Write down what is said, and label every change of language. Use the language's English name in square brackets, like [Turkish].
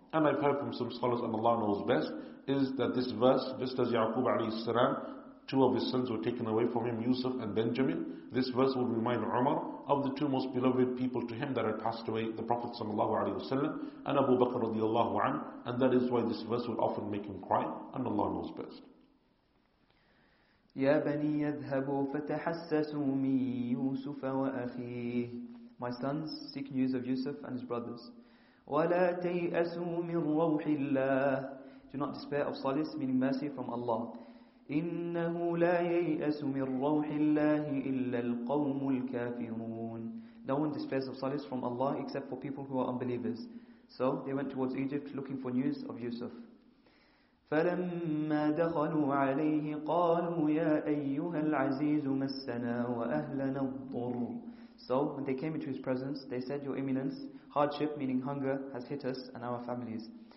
[English] And I've heard from some scholars, and Allah knows best, is that this verse, just as Ya'qub alayhi salam, two of his sons were taken away from him, Yusuf and Benjamin, this verse would remind Umar of the two most beloved people to him that had passed away, the Prophet sallallahu alayhi wa sallam and Abu Bakr radiallahu an, and that is why this verse would often make him cry, and Allah knows best. [Arabic] يا بني يذهبوا فتحسسوا من يوسف وأخيه. [English] My sons, seek news of Yusuf and his brothers. [Arabic] ولا تيأسوا من روح الله. [English] Do not despair of solace, meaning mercy from Allah. [Arabic] إنه لا ييأس من روح الله إلا القوم الكافرون. [English] No one despairs of solace from Allah except for people who are unbelievers. So they went towards Egypt looking for news of Yusuf. [Arabic] فَلَمَّا دَخَلُوا عَلَيْهِ قَالُوا يَا أَيُّهَا الْعَزِيزُ مَسَّنَا وَأَهْلَنَا الضُّرُّ. [English] So when they came into his presence, they said, Your Eminence, hardship, meaning hunger, has hit us and our families.